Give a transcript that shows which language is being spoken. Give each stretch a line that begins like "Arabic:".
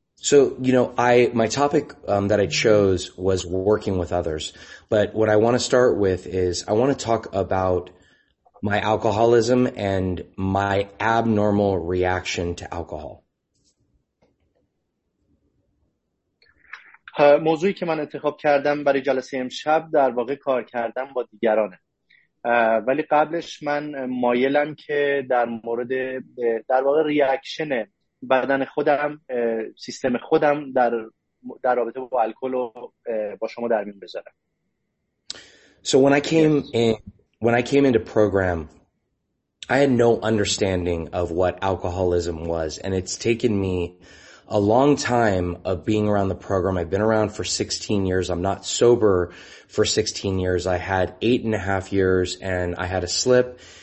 English: So, you know, my topic that I chose was working with others. But what I want to start with is I want to talk about my alcoholism and my abnormal reaction to alcohol.
Persian: موضوعی که من انتخاب کردم برای جلسه امشب در واقع کار کردم با دیگرانه، ولی قبلش من مایلم که در مورد در واقع ریاکشن بدن خودم، سیستم خودم در رابطه با الکل و با شما در میون بذارم.
English: So when I came into program, I had no understanding of what alcoholism was, and it's taken me a long time of being around the program. I've been around for 16 years. I'm not sober for 16 years. I had 8.5 years and I had a slip,